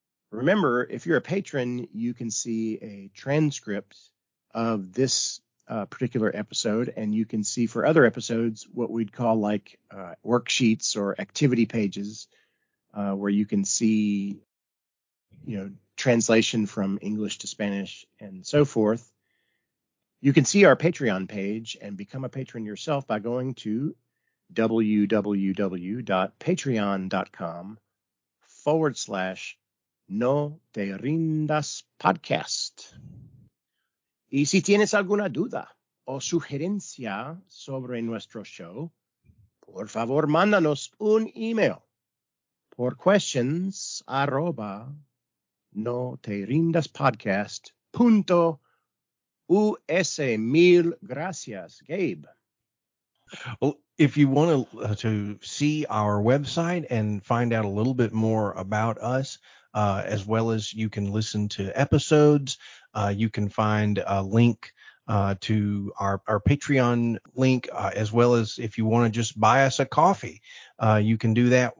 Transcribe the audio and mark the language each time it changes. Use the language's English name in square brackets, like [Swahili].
[English] Remember, if you're a patron, you can see a transcript of this particular episode, and you can see for other episodes what we'd call like worksheets or activity pages, where you can see, you know, translation from English to Spanish and so forth. You can see our Patreon page and become a patron yourself by going to www.patreon.com/NoTeRindasPodcast. [Spanish] Y si tienes alguna duda o sugerencia sobre nuestro show, por favor, mándanos un email por questions@NoTeRindasPodcast.us. Mil gracias, Gabe. [English] Well, if you want to see our website and find out a little bit more about us, as well as you can listen to episodes, you can find a link to our Patreon link, as well as if you want to just buy us a coffee, you can do that.